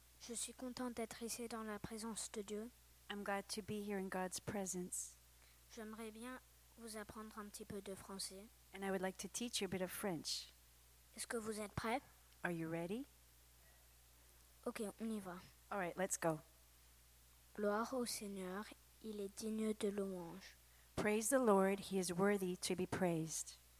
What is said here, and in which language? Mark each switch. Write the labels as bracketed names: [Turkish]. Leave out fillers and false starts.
[French] Je suis contente d'être ici dans la présence de Dieu. [English] I'm glad to be here in God's presence. [French] J'aimerais bien vous apprendre un petit peu de français. [English] And I would like to teach you a bit of French. [French] Est-ce que vous êtes prêts? [English] Are you ready? [French] Ok, on y va. [English] All right, let's go. [French] Gloire au Seigneur, il est digne de louange. [English] Praise the Lord, he is worthy to be praised.